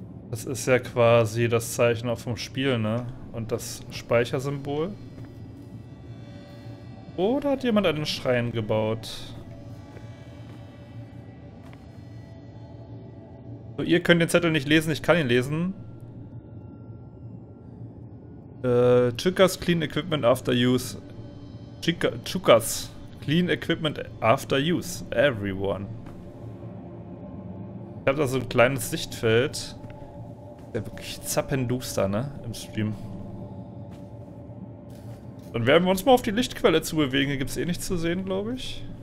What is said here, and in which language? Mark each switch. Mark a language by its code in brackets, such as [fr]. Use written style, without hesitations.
[de] Das ist ja quasi das Zeichen auch vom Spiel, ne? Und das Speichersymbol. Oder hat jemand einen Schrein gebaut? Ihr könnt den Zettel nicht lesen, ich kann ihn lesen. [en] Chukas clean equipment after use. Chukas clean equipment after use. Everyone. [de] Ich habe da so ein kleines Sichtfeld. Ist ja wirklich zappenduster, ne? Im Stream. Dann werden wir uns mal auf die Lichtquelle zubewegen. Hier gibt es eh nichts zu sehen, glaube ich.